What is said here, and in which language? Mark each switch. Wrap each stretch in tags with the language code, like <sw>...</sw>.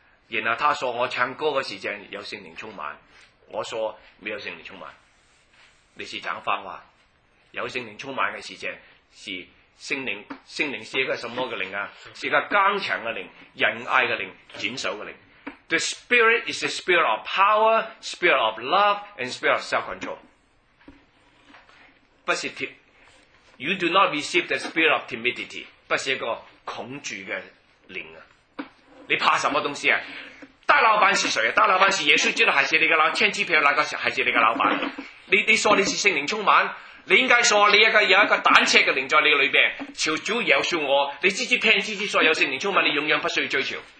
<zh>然后他说我唱歌的时间有圣灵充满，我说没有圣灵充满，你是讲反话。有圣灵充满的时间是圣灵，圣灵是一个什么的灵啊？是一个刚强的灵，仁爱的灵，谨守的灵。</zh> <en>The spirit is the spirit of power, spirit of love, and spirit of self-control.</en> <zh>不是</zh> <en>you do not receive the spirit of timidity.</en> <zh>不是一个恐惧的灵啊！你怕什么东西啊？大老板是谁啊？大老板是耶稣基督还是你的老天之父那个还是你的老板？你说你是圣灵充满？你应该说你有一个胆怯的灵在你里面，求主饶恕我。你自己骗自己说有圣灵充满，你永远不需要追求。</zh>